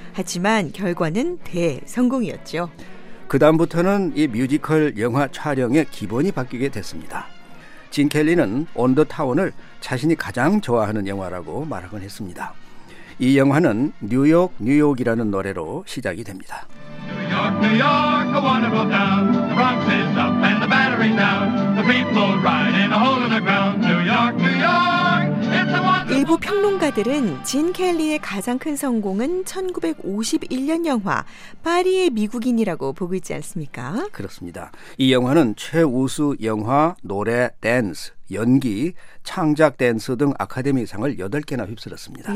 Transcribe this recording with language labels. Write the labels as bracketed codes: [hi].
[ko] 하지만 결과는 대성공이었죠. 그 다음부터는 이 뮤지컬 영화 촬영의 기본이 바뀌게 됐습니다. 진 켈리는 온 더 타운을 자신이 가장 좋아하는 영화라고 말하곤 했습니다. 이 영화는 뉴욕 뉴욕이라는 노래로 시작이 됩니다. [en] New York, a wonderful town. The Bronx is up and the battery's down. The people ride in a hole in the ground. New York, New York. [ko] 일부 평론가들은 진 켈리의 가장 큰 성공은 1951년 영화 파리의 미국인이라고 보고 있지 않습니까? 그렇습니다. 이 영화는 최우수 영화, 노래, 댄스, 연기, 창작 댄스 등 아카데미상을 8개나 휩쓸었습니다.